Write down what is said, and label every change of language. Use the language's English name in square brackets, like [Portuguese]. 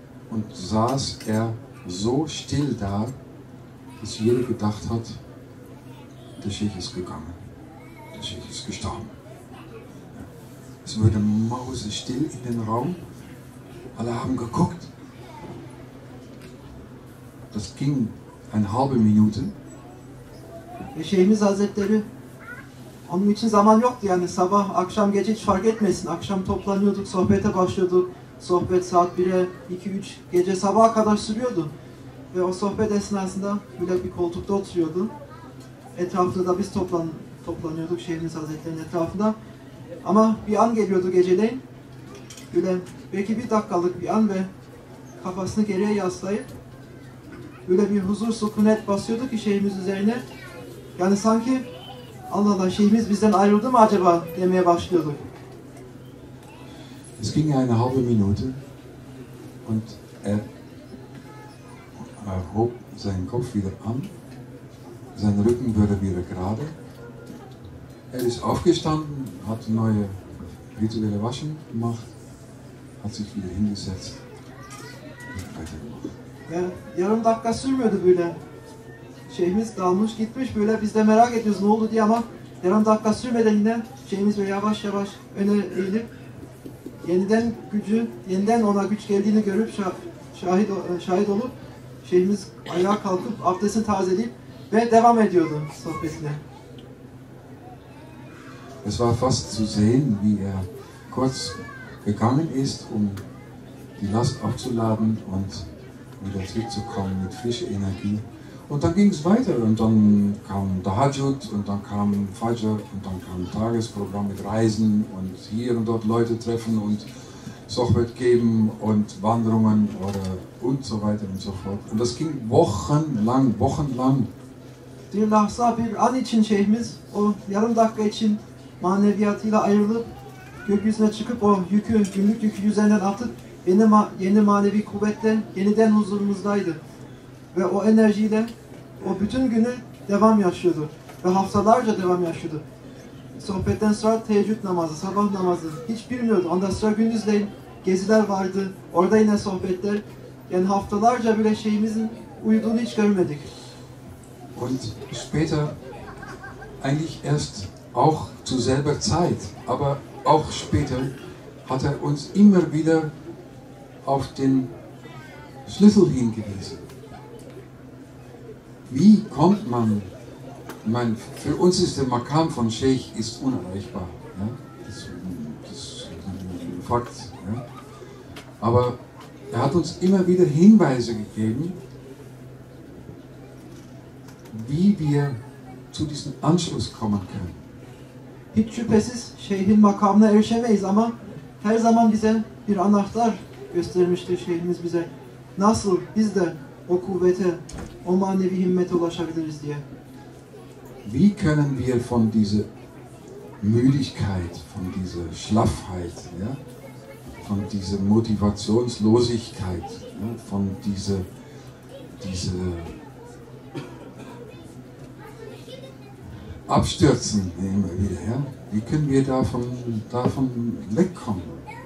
[German] Und saß er so still da, dass jeder gedacht hat, der Sheikh ist gegangen. Der Sheikh ist gestorben. Es wurde mausestill in den Raum. Alle haben geguckt. Das ging eine halbe Minute. [Turkish] Der Sheikh Hazretleri, onun için zaman yoktu yani. Sabah, akşam, gece hiç fark etmesin. Akşam toplanıyorduk, sohbete başlıyorduk. Sohbet saat 1'e, 2, 3, gece sabaha kadar sürüyordu. Ve o sohbet esnasında böyle bir koltukta oturuyordu. Etrafında da biz toplanıyorduk Şeyh'imiz Hazretleri'nin etrafında. Ama bir an geliyordu geceleyin. Böyle belki bir dakikalık bir an ve kafasını geriye yaslayıp böyle bir huzur, sükunet basıyordu ki Şeyh'imiz üzerine. Yani sanki Allah Allah Şeyh'imiz bizden ayrıldı mı acaba demeye başlıyordu. [German] Es ging eine halbe Minute und er hob seinen Kopf wieder an, sein Rücken wurde wieder gerade. Er ist aufgestanden, hat neue rituelle Waschen gemacht, hat sich wieder hingesetzt und weitergemacht. [Turkish] Ja, yarım dakika sürmüyordu böyle. Şeyhimiz dalmış gitmiş böyle, biz de merak ediyoruz ne oldu diye ama yarım dakika sürmeden yine şeyhimiz böyle yavaş yavaş öne eğilip yeniden gücü, yeniden ona güç geldiğini görüp şahit olup şeyhimiz ayağa kalkıp abdestini tazeleyip ve devam ediyordu sohbetine. [German] Es war fast zu sehen, wie er kurz gegangen ist, um die Last aufzuladen und wieder zurückzukommen mit frischer Energie. Und dann ging es weiter und dann kam Tahajjud und dann kam Fajr und dann kam ein Tagesprogramm mit Reisen und hier und dort Leute treffen und Sohbet geben und Wanderungen oder und so weiter und so fort. Und das ging wochenlang, wochenlang. [Turkish] Bir lahza, bir an için şeyhimiz, o yarım dakika için maneviyatıyla ayrılıp gökyüzüne çıkıp o yükü, günlük yükü üzerinden atıp yeni manevi kuvvetle yeniden huzurumuzdaydı. Ve o enerjiyle o bütün günü devam yaşıyordu. Ve haftalarca devam yaşıyordu. Sohbetten sonra teheccüd namazı, sabah namazı hiç bilmiyordu. Ondan sonra gündüzleyin geziler vardı. Orada yine sohbetler. Yani haftalarca bile şeyimizin uyuduğunu hiç görmedik. [German] Und später eigentlich erst auch zu selber Zeit, aber auch später hat uns immer wieder auf den Schlüssel hingewiesen. Wie kommt man, ich meine, für uns ist der Makam von Sheikh ist unerreichbar, ja? Das ist ein Fakt. Ja? Aber er hat uns immer wieder Hinweise gegeben, wie wir zu diesem Anschluss kommen können. [Turkish] Hiç şüphesiz Şeyh'in makamına erişemeyiz ama her zaman bize bir anahtar göstermiştir Şeyh'imiz bize. Nasıl biz de o kuvvete, o manevi himmete ulaşabiliriz diye. [German] Wie können wir von dieser Müdigkeit, von dieser Schlaffheit, ja, von dieser Motivationslosigkeit, ja, von dieser Abstürzen immer wieder, ja, wie können wir davon wegkommen?